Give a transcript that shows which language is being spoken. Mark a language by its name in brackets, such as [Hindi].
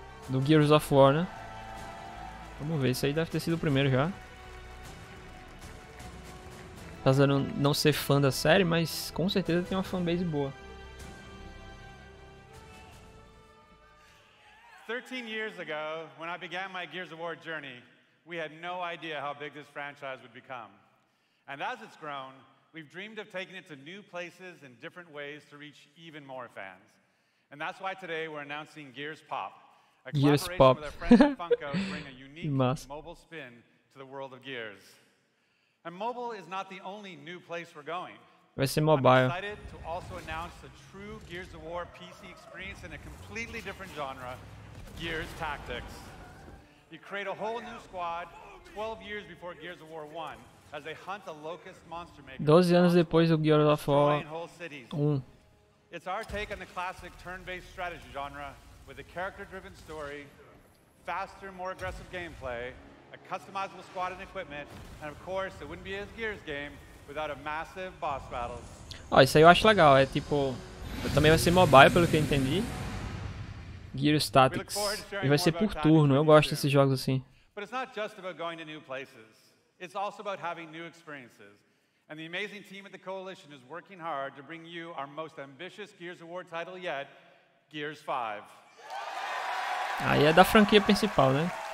[Portuguese] do Gears of War, né? Vamos ver, isso aí deve ter sido o primeiro já. Apesar de não ser fã da série, mas com certeza tem uma fanbase boa. [English] 13 years ago, when I began my Gears of War journey, we had no idea how big this franchise would become. And as it's grown, we've dreamed of taking it to new places and different ways to reach even more fans. And that's why today we're announcing Gears Pop. A collaboration with our friends at Funko to bring a unique mobile spin to the world of Gears. And mobile is not the only new place we're going. [Portuguese] Vai ser mobile. [English] I'm excited to also announce the true Gears of War PC experience in a completely different genre, Gears Tactics. You create a whole new squad 12 years before Gears of War 1 as they hunt a locust monster maker. [Portuguese] 12 anos depois do Gears of War 1. [English] It's our take on the classic turn-based strategy genre. With a character-driven story, faster, more aggressive gameplay, a customizable squad and equipment, and of course, it wouldn't be a Gears game without a massive boss battle. [Portuguese] Ó, isso aí eu acho legal, é tipo... também vai ser mobile, pelo que eu entendi. Gears Tactics. E vai ser por turno, eu gosto desses jogos assim. [English] But it's not just about going to new places. It's also about having new experiences. And the amazing team at the Coalition is working hard to bring you our most ambitious Gears of War title yet, Gears 5. [Portuguese] Aí é da franquia principal, né?